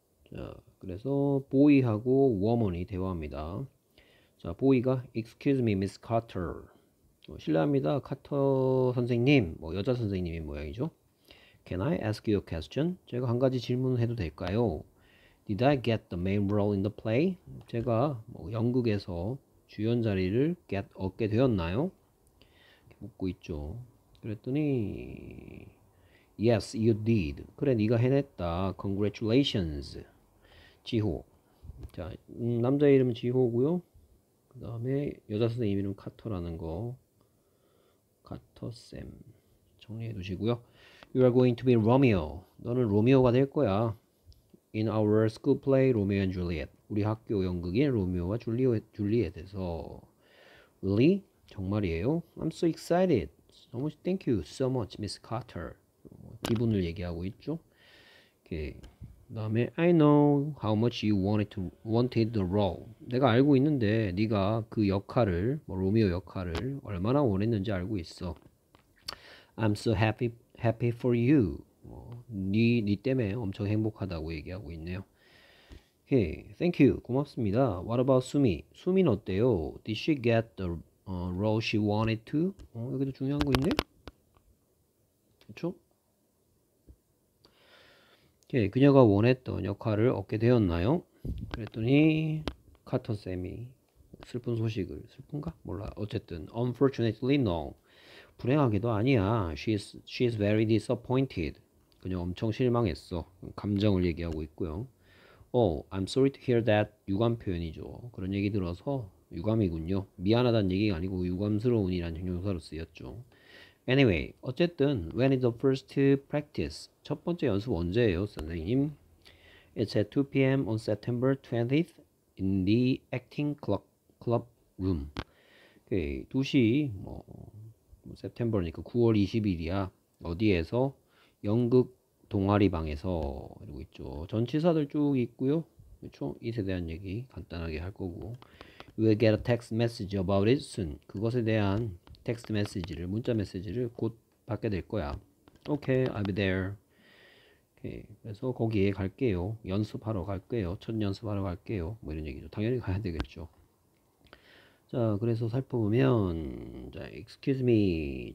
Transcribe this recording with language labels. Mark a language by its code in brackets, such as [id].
[ko] 자, 그래서 보이하고 워먼이 대화합니다. 자, 보이가 [en] Excuse me, Miss Carter. [ko] 실례합니다. 카터 선생님, 뭐 여자 선생님의 모양이죠. [en] Can I ask you a question? [ko] 제가 한 가지 질문해도 될까요? [en] Did I get the main role in the play? [ko] 제가 뭐 연극에서 주연 자리를 얻게 되었나요? 묻고 있죠. 그랬더니 [en] Yes, you did. [ko] 그래, 네가 해냈다. Congratulations. 지호. 자, 남자 이름은 지호고요. 그다음에 여자 선생님 이름 카터라는 거. 카터쌤 정리해 두시고요. [en] You are going to be Romeo. [ko] 너는 로미오가 될 거야. [en] In our school play, Romeo and Juliet. [ko] 우리 학교 연극인 로미오와 줄리엣에서. [en] Really? [ko] 정말이에요? [en] I'm so excited. So much, thank you so much, Miss Carter. [ko] 기분을 얘기하고 있죠. 오케이. 그다음에 [en] I know how much you wanted the role. [ko] 내가 알고 있는데 네가 그 역할을 뭐 로미오 역할을 얼마나 원했는지 알고 있어. [en] I'm so happy for you. [ko] 뭐, 네 때문에 엄청 행복하다고 얘기하고 있네요. [en] Hey, thank you. [ko] 고맙습니다. [en] What about Sumi? [ko] Sumi는 어때요? [en] Did she get the role she wanted to? [ko] 여기도 중요한 거 있네. 그렇죠? 예, 그녀가 원했던 역할을 얻게 되었나요? 그랬더니 카터 쌤이 슬픈 소식을 슬픈가? 몰라. 어쨌든 [en] unfortunately no. [ko] 불행하게도 아니야. [en] She is very disappointed. [ko] 그녀 엄청 실망했어. 감정을 얘기하고 있고요. [en] Oh, I'm sorry to hear that. [ko] 유감 표현이죠. 그런 얘기 들어서 유감이군요. 미안하다는 얘기가 아니고 유감스러운이라는 형용사로 쓰였죠. [en] Anyway, [ko] 어쨌든 [en] when is the first practice? [ko] 첫 번째 연습 언제예요, 선생님? [en] It's at 2 p.m. on September 20th in the acting club room. [ko] 오케이, 2시 뭐 September니까 9월 20일이야. 어디에서? 연극 동아리 방에서 이러고 있죠. 전치사들 쭉 있고요. 그렇죠? 이에 대한 얘기 간단하게 할 거고. [en] We'll get a text message about it soon. [ko] 그것에 대한 텍스트 메시지를 문자 메시지를 곧 받게 될 거야. 오케이, [en] okay, I'll be there. [ko] 오케이, okay, 그래서 거기에 갈게요. 연습하러 갈게요. 첫 연습하러 갈게요. 뭐 이런 얘기죠. 당연히 가야 되겠죠. 자, 그래서 살펴보면, 자, [en] excuse me.